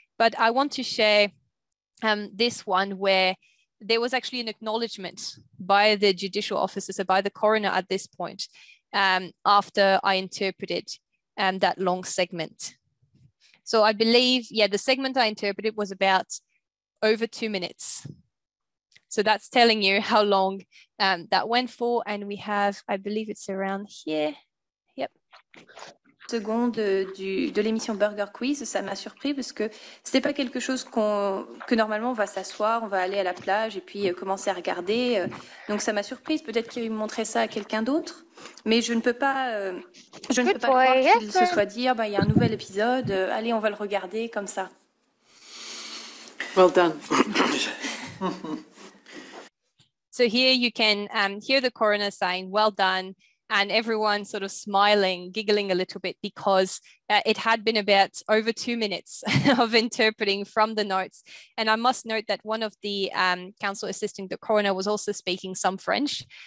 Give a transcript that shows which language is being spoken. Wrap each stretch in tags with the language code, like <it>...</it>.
<en>But I want to share this one where there was actually an acknowledgement by the judicial officer, so by the coroner at this point, after I interpreted that long segment. So I believe, yeah, the segment I interpreted was about over 2 minutes. So that's telling you how long that went for. And we have, I believe it's around here. Yep.</en> <fr>Seconde de l'émission Burger Quiz, ça m'a surpris parce que ce n'est pas quelque chose que normalement on va s'asseoir, on va aller à la plage et puis commencer à regarder. Donc ça m'a surprise, peut-être qu'il montrait ça à quelqu'un d'autre, mais je ne peux pas croire qu'il se soit dit, il y a un nouvel épisode, allez on va le regarder comme ça.</fr> <en>Well done. So here you can hear the coroner saying, well done. And everyone sort of smiling, giggling a little bit because it had been about over 2 minutes of interpreting from the notes. And I must note that one of the counsel assisting the coroner was also speaking some French.</en>